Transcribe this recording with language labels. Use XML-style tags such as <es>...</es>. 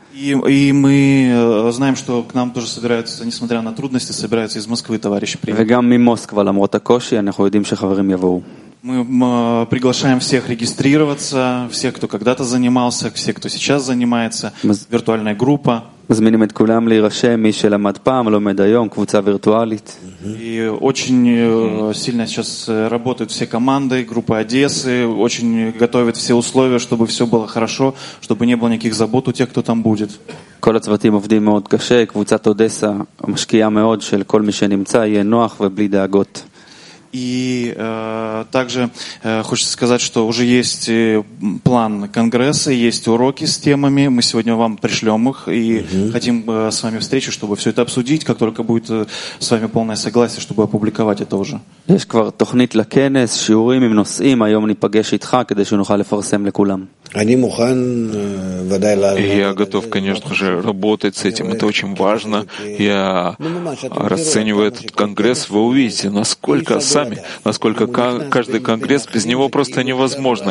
<ru>И мы знаем, что к нам тоже собираются, несмотря на трудности, собираются из Москвы товарищи приехать.</ru> <he>Вегам ми Москва, ламрот акоши, анахо йодим шехаврим явоу.</he> <ru>Мы приглашаем всех регистрироваться, всех, кто когда-то занимался, всех, кто сейчас занимается, виртуальная группа.</ru> <he>מזמינים את כולם להירשם, מי שלמד פעם, לומד היום, קבוצה וירטואלית.</he> <ru>И очень сильно сейчас работают все команды, группа Одессы, очень готовят все условия, чтобы все было хорошо, чтобы не было никаких забот у тех, кто там будет.</ru> <he>כל הצוותים עובדים מאוד קשה, קבוצת אודסה משקיעה מאוד של כל מי שנמצא, יהיה נוח ובלי דאגות.</he> <ru>И также хочется сказать, что уже есть план конгресса, есть уроки с темами. Мы сегодня вам пришлем их и хотим с вами встречу, чтобы все это обсудить, как только будет с вами полное согласие, чтобы опубликовать это уже.</ru> <he>יש כבר תוכנית לכנס, שיעורים עם נושאים, היום ניפגש איתך כדי שנוכל לפרסם לכולם.</he> <ru>Я готов, конечно же, работать с этим. Это очень важно. Я расцениваю этот конгресс. Вы увидите, насколько сами, насколько каждый конгресс без него просто невозможно.</ru>